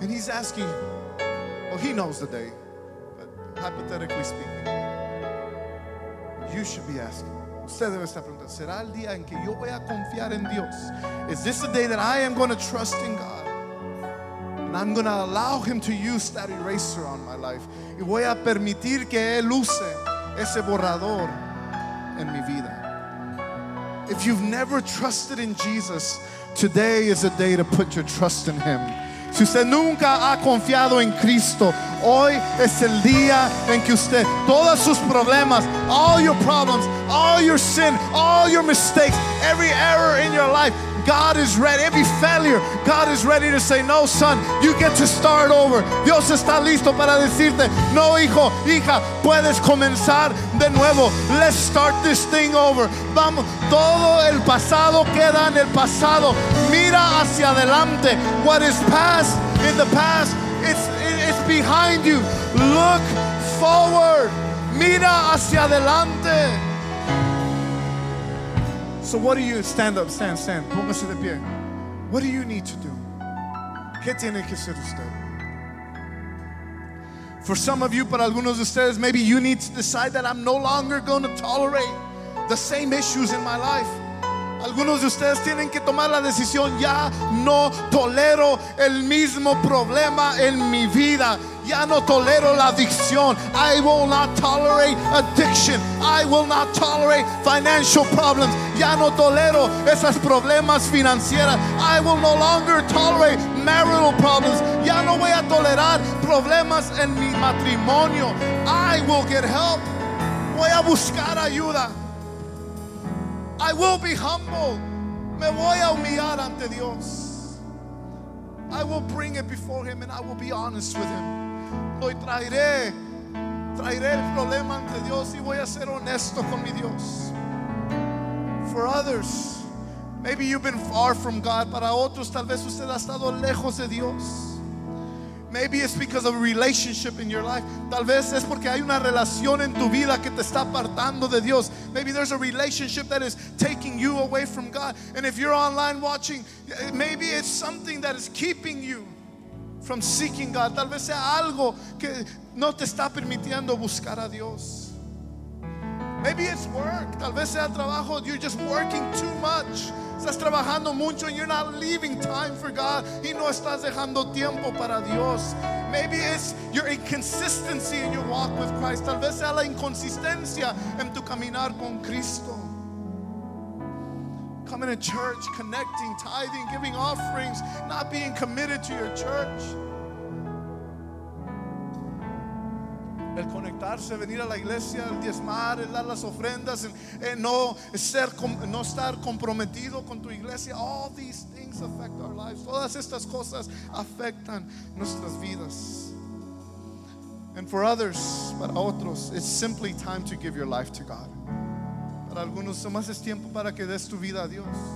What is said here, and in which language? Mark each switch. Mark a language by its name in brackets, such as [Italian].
[English] And He's asking, well, He knows the day. But hypothetically speaking, you should be asking. [Spanish] Usted debe estar preguntando, ¿será el día en que yo voy a confiar en Dios? [English] Is this the day that I am going to trust in God? And I'm going to allow Him to use that eraser on my life. [Spanish] Y voy a permitir que Él use ese borrador en mi vida. [English] If you've never trusted in Jesus, today is a day to put your trust in Him. [Spanish] Si usted nunca ha confiado en Cristo, hoy es el día en que usted, todos sus problemas, [English] all your problems, all your sin, all your mistakes, every error in your life, God is ready, every failure, God is ready to say, no, son, you get to start over. [Spanish] Dios está listo para decirte, no, hijo, hija, puedes comenzar de nuevo. [English] Let's start this thing over. [Spanish] Vamos, todo el pasado queda en el pasado. Mira hacia adelante. [English] What is past in the past, it's behind you. Look forward. [Spanish] Mira hacia adelante. [English] So what do you, stand up, [Spanish] póngase de pie. [English] What do you need to do? [Spanish] ¿Qué tiene que hacer usted? [English] For some of you, [Spanish] para algunos de ustedes, [English] maybe you need to decide that I'm no longer going to tolerate the same issues in my life. [Spanish] Algunos de ustedes tienen que tomar la decisión, ya no tolero el mismo problema en mi vida. Ya no tolero la adicción. [English] I will not tolerate addiction. I will not tolerate financial problems. [Spanish] Ya no tolero esas problemas financieras. [English] I will no longer tolerate marital problems. [Spanish] Ya no voy a tolerar problemas en mi matrimonio. [English] I will get help. [Spanish] Voy a buscar ayuda. [English] I will be humble. [Spanish] Me voy a humillar ante Dios. [English] I will bring it before Him and I will be honest with Him. [Spanish] Hoy traeré el problema ante Dios y voy a ser honesto con mi Dios. [English] For others, maybe you've been far from God. [Spanish] Para otros, tal vez usted ha estado lejos de Dios. [English] Maybe it's because of a relationship in your life. [Spanish] Tal vez es porque hay una relación en tu vida que te está apartando de Dios. [English] Maybe there's a relationship that is taking you away from God. And if you're online watching, maybe it's something that is keeping you from seeking God. [Spanish] Tal vez sea algo que no te está permitiendo buscar a Dios. [English] Maybe it's work. [Spanish] Tal vez sea trabajo. [English] You're just working too much. [Spanish] Estás trabajando mucho [English] and you're not leaving time for God. [Spanish] Y no estás dejando tiempo para Dios. [English] Maybe it's your inconsistency in your walk with Christ. [Spanish] Tal vez sea la inconsistencia en tu caminar con Cristo. [English] Coming to church, connecting, tithing, giving offerings, not being committed to your church. [Spanish] El conectarse, venir a la iglesia, el diezmar, el dar las ofrendas, no estar comprometido con tu iglesia. [English] All these things affect our lives. [Spanish] Todas estas cosas afectan nuestras vidas. [English] And for others, [Spanish] para otros, [English] it's simply time to give your life to God. [Spanish] Para algunos, más es tiempo para que des tu vida a Dios.